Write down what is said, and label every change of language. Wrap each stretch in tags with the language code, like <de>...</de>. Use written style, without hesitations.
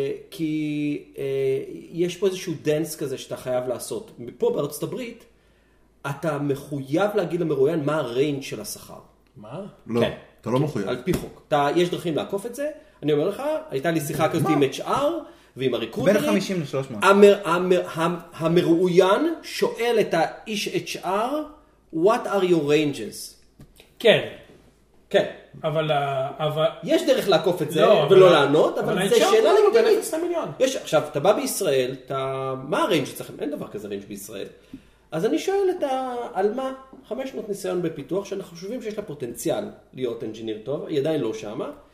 <he>כי, יש פה איזשהו דנס כזה שאתה חייב לעשות. פה בארצות הברית, אתה מחויב להגיד למרויין מה הריינג' של השכר. מה? לא, כן. אתה לא מחויב. על פי חוק. יש דרכים לעקוף את זה. אני אומר לך, הייתה לי שיחה כזאת עם HR ועם הריקרוטרים. בין 50 ל-300. המרויין שואל את האיש HR,</he> <en>what are your ranges?</en> <he>כן. כן. אבל יש דרך לעקוף את זה ולא לענות, אבל זה שאלה לגיטימית. יש, עכשיו, אתה בא בישראל, מה הריינג' שצריך? אין דבר כזה ריינג' בישראל. אז אני שואל את על מה 500 ניסיון בפיתוח, שאנחנו חושבים שיש לה פוטנציאל להיות אנג'יניר טוב, היא עדיין לא שמה.</he>